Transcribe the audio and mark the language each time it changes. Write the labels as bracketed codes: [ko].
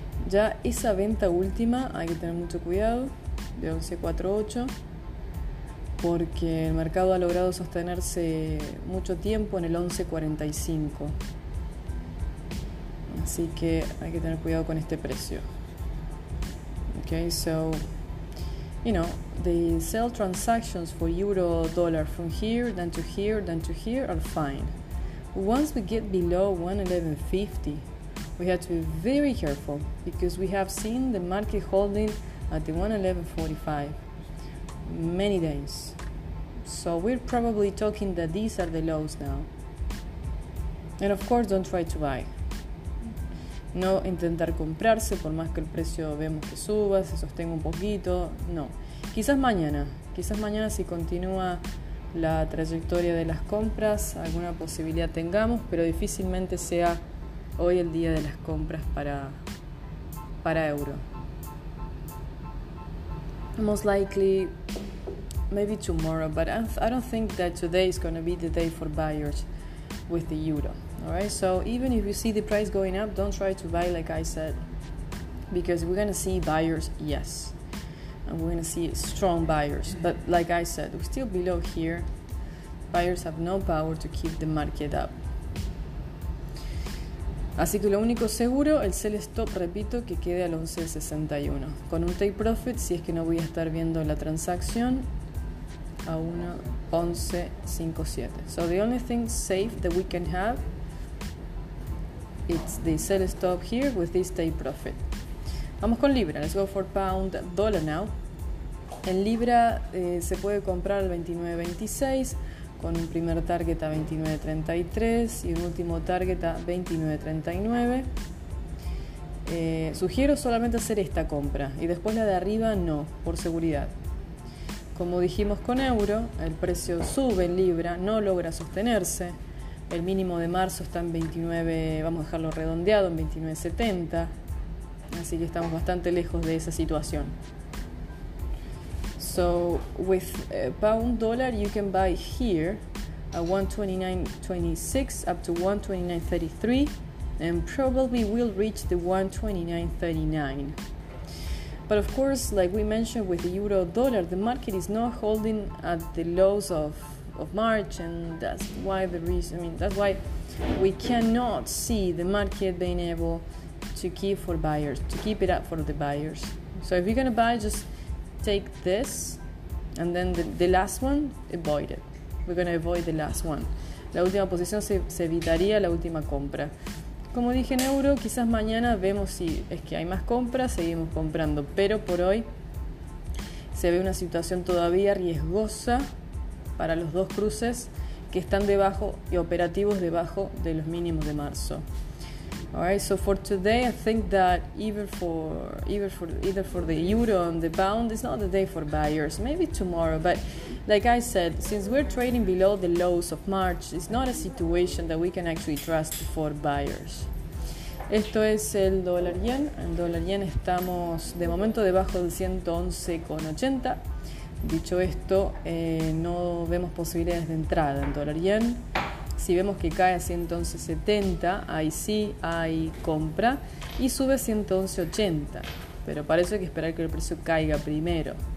[es] Ya esa venta última hay que tener mucho cuidado, de 11.48, porque el mercado ha logrado sostenerse mucho tiempo en el 11.45, así que hay que tener cuidado con este precio. [en] Okay, so, you know, the sell transactions for euro dollar from here, then to here, then to here are fine. Once we get below 1.1150, we have to be very careful because we have seen the market holding at the 1.1145 many days. So we're probably talking that these are the lows now. And of course, don't try to buy. [es] No intentar comprarse, por más que el precio vemos que suba, se sostenga un poquito, no. Quizás mañana si continúa la trayectoria de las compras, alguna posibilidad tengamos, pero difícilmente sea hoy el día de las compras para euro. [en] Most likely, maybe tomorrow, but I don't think that today is going to be the day for buyers with the euro. Alright, so even if you see the price going up, don't try to buy, like I said, because we're going to see buyers, yes, and we're going to see strong buyers, but like I said, we're still below here. Buyers have no power to keep the market up. [es] Así que lo único seguro, el sell stop, repito, que quede al 1.1161, con un take profit, si es que no voy a estar viendo la transacción, a 1.1157. [en] So the only thing safe that we can have, it's the sell stop here with this take profit. [es] Vamos con libra. [en] Let's go for pound dollar now. [es] En libra se puede comprar al 29.26 con un primer target a 29.33 y un último target a 29.39. Sugiero solamente hacer esta compra y después la de arriba no, por seguridad. Como dijimos con euro, el precio sube en libra, no logra sostenerse. El mínimo de marzo está en 29, vamos a dejarlo redondeado, en 29.70. Así que estamos bastante lejos de esa situación. [en] So, with pound dollar, you can buy here at 129.26 up to 129.33 and probably will reach the 129.39. But of course, like we mentioned with the euro dollar, the market is not holding at the lows of March, and that's why we cannot see the market being able to keep for buyers, to keep it up for the buyers. So if you're gonna buy, just take this and then the last one, avoid it. We're gonna avoid the last one. [es] La última posición se evitaría la última compra. Como dije en euro, quizás mañana vemos si es que hay más compras, seguimos comprando, pero por hoy se ve una situación todavía riesgosa para los dos cruces que están debajo y operativos debajo de los mínimos de marzo. [en] Alright, so for today, I think that either for the euro and the pound, it's not the day for buyers. Maybe tomorrow, but like I said, since we're trading below the lows of March, it's not a situation that we can actually trust for buyers. [es] Esto es el dólar yen. En dólar yen estamos de momento debajo del 111.80. Dicho esto, no vemos posibilidades de entrada en dólar yen. Si vemos que cae a 111.70, ahí sí hay compra, y sube a 111.80, pero parece que esperar que el precio caiga primero.